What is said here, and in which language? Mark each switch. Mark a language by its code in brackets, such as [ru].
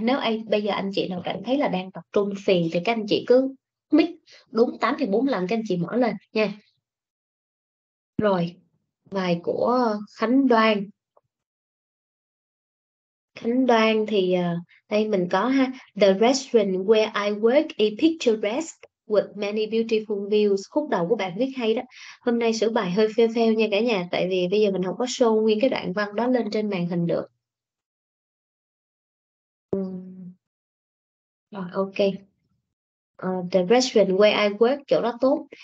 [vi] Nếu bây giờ anh chị nào cảm thấy là đang tập trung phiền thì các anh chị cứ mic đúng 8:45 các anh chị mở lên nha. Rồi, bài của Khánh Đoan thì đây mình có ha. [en] The restaurant where I work is picturesque with many beautiful views. [vi] Khúc đầu của bạn viết hay đó. Hôm nay sửa bài hơi phê phêu nha cả nhà, tại vì bây giờ mình không có show nguyên cái đoạn văn đó lên trên màn hình được. Rồi, ok. [en] The restaurant where I work, [vi] chỗ đó tốt.